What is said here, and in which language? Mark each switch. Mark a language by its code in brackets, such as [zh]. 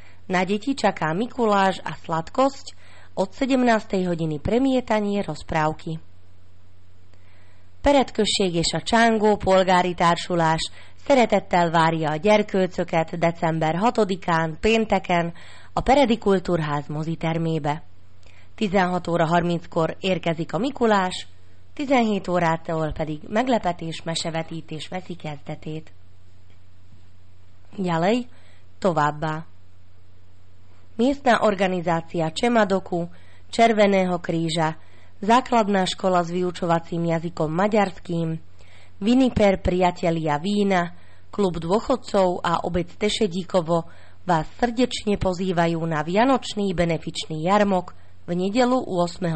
[sk] Na deti čaká Mikuláš a sladkosť od 17. hodiny premietanie rozprávky. [hu] Peretkösség és a Csángó polgári társulás szeretettel várja a gyerkőcöket december 6-án pénteken a Peredi Kultúrház mozitermébe. 16 óra 30-kor érkezik a Mikulás, 17 órától pedig meglepetés mesevetítés veszi kezdetét. [sk] Ďalej, [hu] továbbá. [sk] Miestna organizácia Csemadoku, Červeného kríža, Základná škola s vyučovacím jazykom maďarským, Viniper priatelia vína, Klub dôchodcov a obec Tešedíkovo vás srdečne pozývajú na vianočný benefičný jarmok v nedeľu 8.